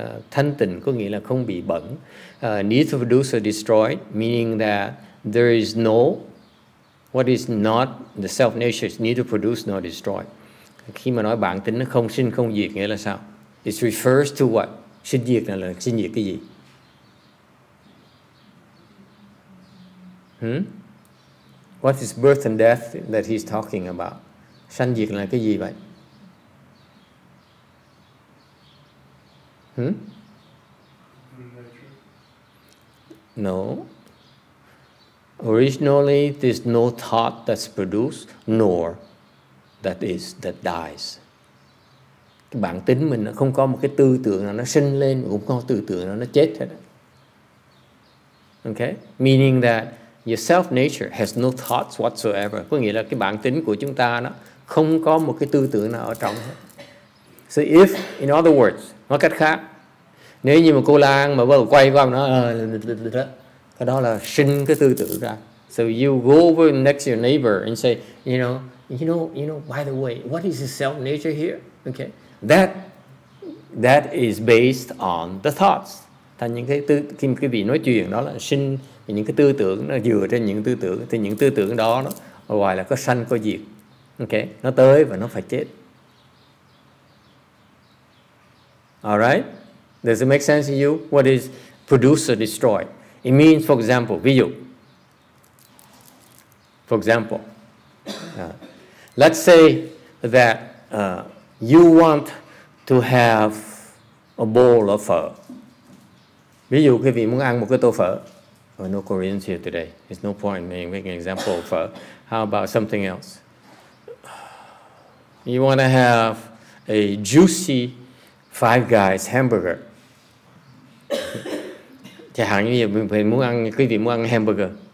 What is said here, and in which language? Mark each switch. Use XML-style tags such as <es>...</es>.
<vi>Thanh tịnh có nghĩa là không bị bẩn.</vi> <en>Neither produced or destroyed, meaning that there is no, what is not, the self-nature is neither produced nor destroyed.</en> <vi>Khi mà nói bản tính nó không sinh không diệt nghĩa là sao?</vi> <en>It refers to what?</en> <vi>Sinh diệt là sinh diệt cái gì? Hmm?</vi> <en>What is birth and death that he's talking about?</en> <vi>Sanh diệt là cái gì vậy? Hmm?</vi> <en>No. Originally, there's no thought that's produced, nor that is that dies.</en> <vi>Cái bản tính mình nó không có một cái tư tưởng nào nó sinh lên, cũng không có tư tưởng nào nó chết hết.</vi> <en>Okay? Meaning that your self nature has no thoughts whatsoever.</en> <vi>Có nghĩa là cái bản tính của chúng ta nó không có một cái tư tưởng nào ở trong hết.</vi> <en>So if, in other words,</en> <vi>nói cách khác, nếu như mà cô Lan mà bắt đầu quay qua nó, cái đó là sinh cái tư tưởng ra.</vi> <en>So you go over next to your neighbor and say, you know, by the way, what is the self nature here? Okay, that is based on the thoughts.</en> <vi>Thành những cái tư, khi quý vị nói chuyện đó là sinh những cái tư tưởng, nó dựa trên những tư tưởng, thì những tư tưởng đó nó ngoài là có sanh có diệt. Okay, nó tới và nó phải chết.</vi> <en>All right, does it make sense to you? What is produced or destroyed? It means, for example, video. For example, let's say that you want to have a bowl of pho.</en> <vi>Ví dụ quý vị muốn ăn một cái tô phở.</vi> <en>Oh, no Koreans here today. There's no point in making an example of pho. How about something else? You want to have a juicy Five Guys hamburger.</en> <vi>Chẳng hạn như quý vị muốn ăn hamburger.</vi>